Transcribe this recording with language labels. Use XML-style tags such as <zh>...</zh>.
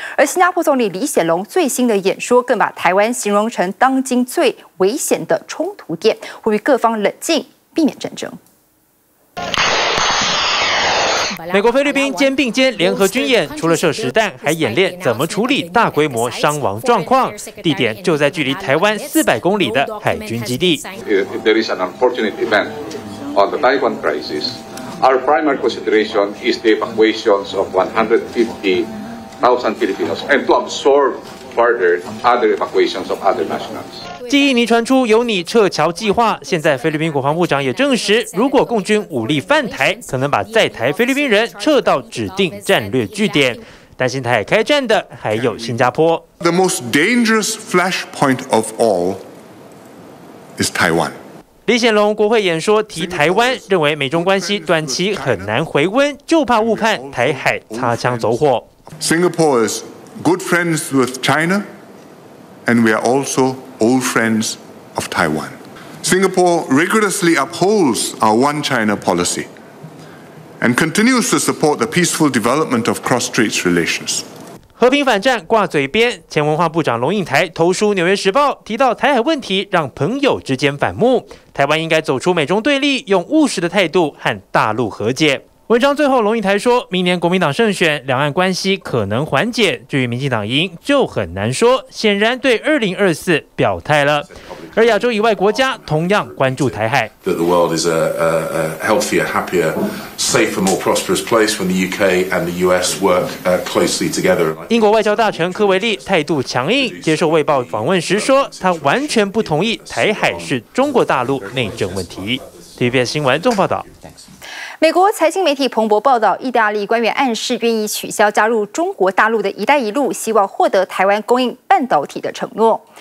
<zh>而新加坡总理李显龙最新的演说更把台湾形容成当今最危险的冲突点，呼吁各方冷静，避免战争。美国菲律宾肩并肩联合军演，除了射实弹，还演练怎么处理大规模伤亡状况，地点就在距离台湾400公里的海军基地。</zh> <en>There is an unfortunate event on the Taiwan crisis. Our primary consideration is the evacuations of 150,000 Filipinos and to absorb further other evacuations of other nationals.</en> <zh>继印尼传出有拟撤侨计划，现在菲律宾国防部长也证实，如果共军武力犯台，可能把在台菲律宾人撤到指定战略据点。担心台海开战的还有新加坡。</zh> <en>The most dangerous flashpoint of all is Taiwan。</en> <zh>李显龙国会演说提台湾，认为美中关系短期很难回温，就怕误判台海擦枪走火。</zh> <en>Singapore is good friends with China, and we are also. Old friends of Taiwan. Singapore rigorously upholds our One China policy and continues to support the peaceful development of cross-strait relations.</en> <zh>和平反战挂嘴边，前文化部长龙应台投书《纽约时报》，提到台海问题让朋友之间反目，台湾应该走出美中对立，用务实的态度和大陆和解。文章最后，龙应台说，明年国民党胜选，两岸关系可能缓解，至于民进党赢就很难说，显然对2024表态了。而亚洲以外国家同样关注台海。</zh> <en>That the world is a healthier, happier, safer, more prosperous place when the UK and the US work closely together.</en> <zh>英国外交大臣科维利态度强硬，接受《卫报》访问时说，他完全不同意台海是中国大陆内政问题。 TVBS 新闻综合报道。美国财经媒体彭博报道，意大利官员暗示愿意取消加入中国大陆的一带一路，希望获得台湾供应半导体的承诺。</zh>